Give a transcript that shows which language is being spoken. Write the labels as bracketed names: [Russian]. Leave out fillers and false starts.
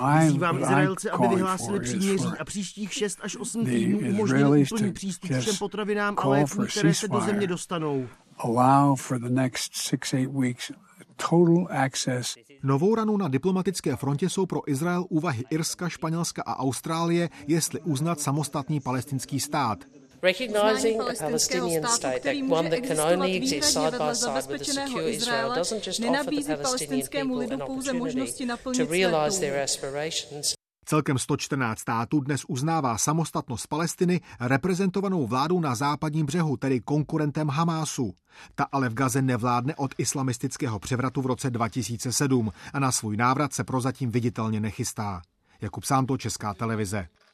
[Czech] Vyzývám Izraelce, aby vyhlásili příměří a příštích 6 až 8 týdnů umožnili úplný přístup všem potravinám a lékům, které se do země dostanou. [English] Allow for the next 6-8 weeks total access. [Czech] Novou ranu na diplomatické frontě jsou pro Izrael úvahy Irska, Španělska a Austrálie, jestli uznat samostatný palestinský stát. [English] Recognizing a Palestinian state, that one that can only exist side by side with a secure Israel, doesn't just offer the Palestinian people an opportunity to realize their aspirations. [Czech] Celkem 114 států dnes uznává samostatnost Palestiny, reprezentovanou vládou na západním břehu, tedy konkurentem Hamásu. Ta ale v Gaze nevládne od islamistického převratu v roce 2007 a na svůj návrat se prozatím viditelně nechystá. Jakub Sámto, Česká televize.